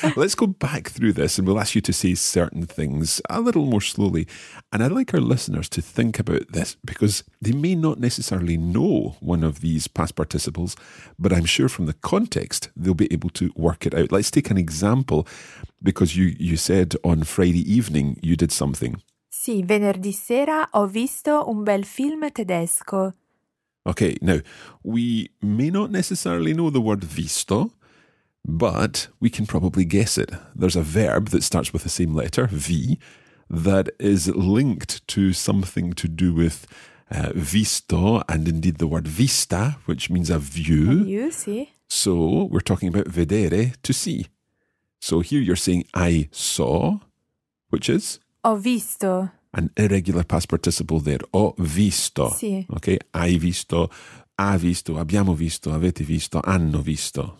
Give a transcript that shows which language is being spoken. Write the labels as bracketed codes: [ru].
[en] Let's go back through this and we'll ask you to say certain things a little more slowly. And I'd like our listeners to think about this because they may not necessarily know one of these past participles, but I'm sure from the context, they'll be able to work it out. Let's take an example. Because you said on Friday evening you did something. [it] Sì, venerdì sera ho visto un bel film tedesco. [en] Okay, now, we may not necessarily know the word visto, but we can probably guess it. There's a verb that starts with the same letter, V, that is linked to something to do with visto, and indeed the word vista, which means a view. A view, sì. So, we're talking about vedere, to see. So here you're saying, I saw, which is? [it] Ho visto. [en] An irregular past participle there. [it] Ho visto. Sì. Okay, hai visto, ha visto, abbiamo visto, avete visto, hanno visto.